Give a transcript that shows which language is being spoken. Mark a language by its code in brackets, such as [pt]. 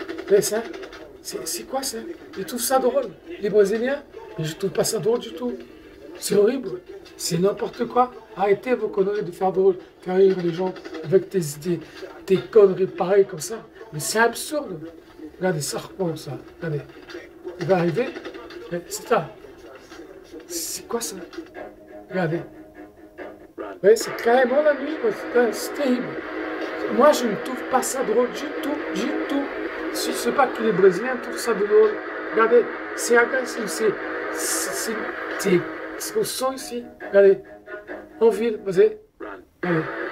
[fr] Mais ça, c'est quoi ça? Ils trouvent ça drôle. Les Brésiliens, mais je trouve pas ça drôle du tout. C'est horrible. C'est n'importe quoi. Arrêtez vos conneries de faire drôle, faire rire les gens avec tes idées, tes conneries pareilles comme ça. Mais c'est absurde. Regardez, ça reprend ça. Regardez. Il va arriver. C'est ça. [pt] costas. Obrigado. Esse cara é meu amigo, é terrível. [fr] Moi, je ne trouve pas ça drôle du tout, du tout. Je ne sais pas que les Brésiliens trouvent ça drôle. Regardez, c'est agressif, c'est au son ici. Regardez, en ville, vous savez. Regardez.